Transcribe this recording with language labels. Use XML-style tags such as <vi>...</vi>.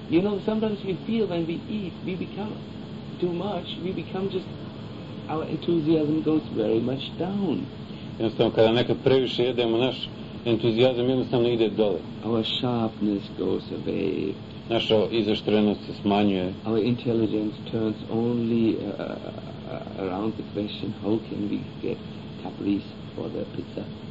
<en>You know, sometimes we feel when we eat, we become too much, we become just, our enthusiasm goes very much down.</en> <bs>Jednostavno, kada nekad previše jedemo, naš entuzijazam jednostavno ide dole.</bs> <en>Our sharpness goes away.</en> <bs>Naša izaštrenost se smanjuje.</bs> <en>Our intelligence turns only around the question, how can we get caprice for the pizza?</en>